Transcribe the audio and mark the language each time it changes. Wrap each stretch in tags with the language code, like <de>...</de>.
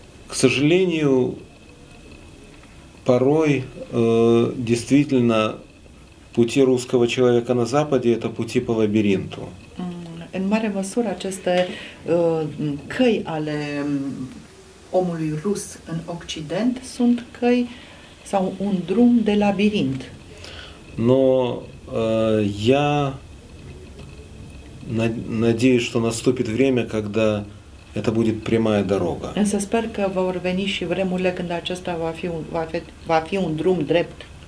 <ru>К сожалению, порой действительно пути русского человека на западе это пути по лабиринту.</ru> <ro>În mare măsură aceste căi ale omului rus în Occident sunt căi sau un drum de labirint.</ro> <ru>Но я надеюсь, что наступит время, когда это будет прямая дорога.</ru> <ro>Însă sper că vor veni și vremurile când acesta va fi un drum drept.</ro>